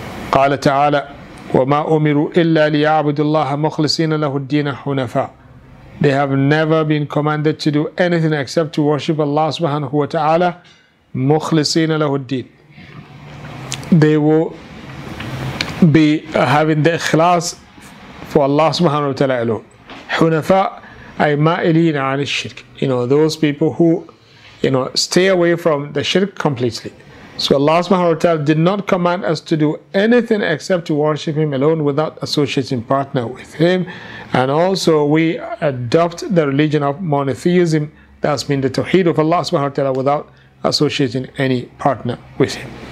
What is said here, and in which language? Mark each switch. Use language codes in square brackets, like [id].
[ar] قَالَ تَعَالَى وَمَا أُمِرُوا إِلَّا لِيَعْبُدُ اللَّهَ مُخْلِصِينَ لَهُ الدِّينَ حُنَفَاءَ. [en] They have never been commanded to do anything except to worship Allah subhanahu wa ta'ala. [ar] مُخْلِصِينَ لَهُ الدِّينَ. [en] They will be having the ikhlas for Allah subhanahu wa ta'ala alone. [ar] حُنَفَاء أي مَائِلِينَ عَنِ الشِّرْكِ. [en] You know, those people who, you know, stay away from the shirk completely. So Allah subhanahu wa ta'ala did not command us to do anything except to worship him alone without associating partner with him. And also we adopt the religion of monotheism, that's mean the tawheed of Allah subhanahu wa ta'ala, without associating any partner with him.